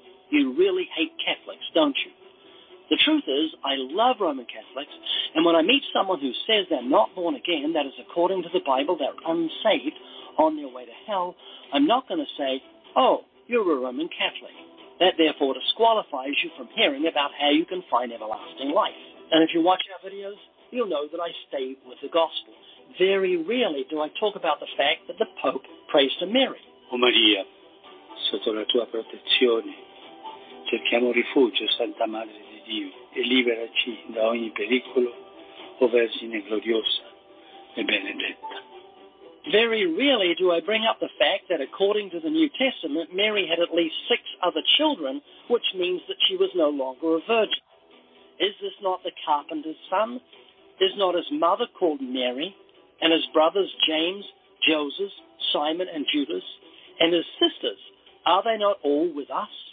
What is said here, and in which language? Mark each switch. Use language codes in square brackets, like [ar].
[en] You really hate Catholics, don't you? The truth is, I love Roman Catholics, and when I meet someone who says they're not born again, that is according to the Bible, they're unsaved, on their way to hell, I'm not going to say, oh, you're a Roman Catholic. That therefore disqualifies you from hearing about how you can find everlasting life. And if you watch our videos, you'll know that I stay with the gospel. Very rarely do I talk about the fact that the Pope prays to Mary. [it] O Maria, sotto la tua protezione, cerchiamo rifugio, Santa Madre di Dio, e liberaci da ogni pericolo, o Vergine gloriosa e benedetta. [en] Very rarely do I bring up the fact that according to the New Testament, Mary had at least six other children, which means that she was no longer a virgin. Is this not the carpenter's son? Is not his mother called Mary, and his brothers James, Joseph, Simon, and Judas, and his sisters, are they not all with us?